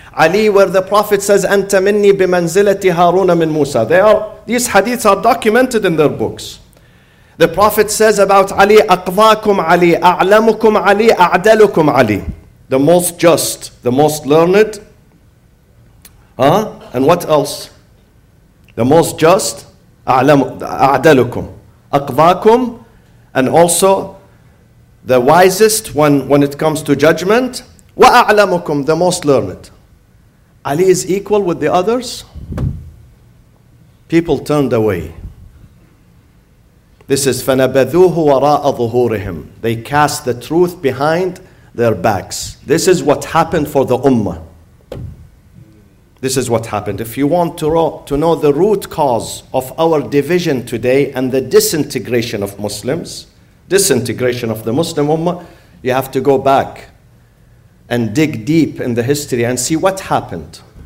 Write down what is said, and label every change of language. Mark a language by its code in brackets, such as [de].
[en] Ali, where the Prophet says, [ar] أَنْتَ مِنِّي بِمَنْزِلَةِ هَارُونَ مِنْ مُوسَى. [en] These hadiths are documented in their books. The Prophet says about Ali, [ar] أَقْضَاكُمْ عَلِي أَعْلَمُكُمْ عَلِي أَعْدَلُكُمْ عَلِي. [en] The most just, the most learned. Huh? And what else? The most just, [ar] أعدلكم, أقضاكم, [en] and also the wisest when it comes to judgment, [ar] وأعلمكم, [en] the most learned. Ali is equal with the others. People turned away. This is [ar] فنبذوه وراء ظهورهم. [en] They cast the truth behind their backs. This is what happened for the ummah. This is what happened. If you want to know the root cause of our division today and the disintegration of Muslims, disintegration of the Muslim Ummah, you have to go back and dig deep in the history and see what happened.